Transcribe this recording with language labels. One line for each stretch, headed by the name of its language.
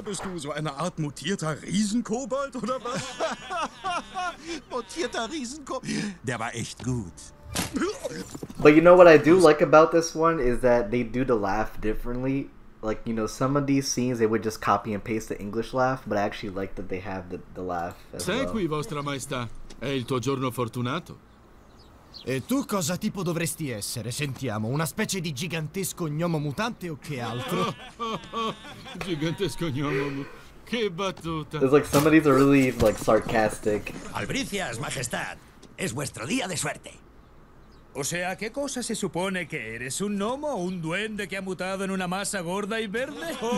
German: Bist du so eine Art mutierter Riesenkobold oder was? Mutierter Riesenkobold. Der war echt gut.
English: But you know what I do like about this one is that they do the laugh differently. Like, you know, some of these scenes they would just copy and paste the English laugh, but I actually like that they have the laugh as Sei well.
Italian: Qui, vostra maestà. È il tuo giorno fortunato. E tu cosa tipo dovresti essere? Sentiamo, una specie di gigantesco gnomo mutante o che altro? Gigantesco gnomo. Che battuta.
English: It's like some of these are really like sarcastic.
Spanish: Albricias, majestad. Es vuestro día de suerte. O sea, ¿qué cosa se supone que eres? ¿Un gnomo o un duende que ha mutado en una masa gorda y verde?